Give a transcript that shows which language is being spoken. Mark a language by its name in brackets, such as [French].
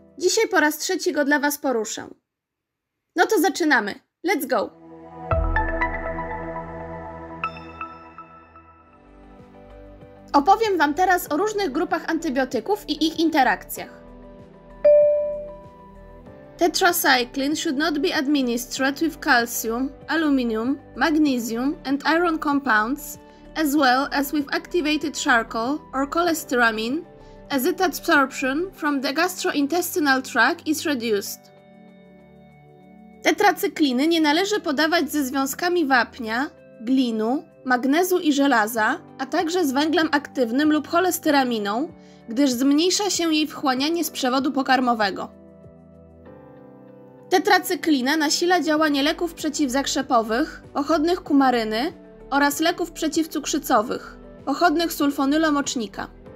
[Polish] Dzisiaj po raz trzeci go dla Was poruszę. No to zaczynamy. [English] Let's go! [Polish] Opowiem Wam teraz o różnych grupach antybiotyków i ich interakcjach. [English] Tetracycline should not be administered with calcium, aluminium, magnesium and iron compounds, as well as with activated charcoal or cholestyramine, as its absorption from the gastrointestinal tract is reduced. [Polish] Tetracykliny nie należy podawać ze związkami wapnia, glinu, magnezu i żelaza, a także z węglem aktywnym lub cholestyraminą, gdyż zmniejsza się jej wchłanianie z przewodu pokarmowego. Tetracyklina nasila działanie leków przeciwzakrzepowych, pochodnych kumaryny oraz leków przeciwcukrzycowych, pochodnych sulfonylomocznika.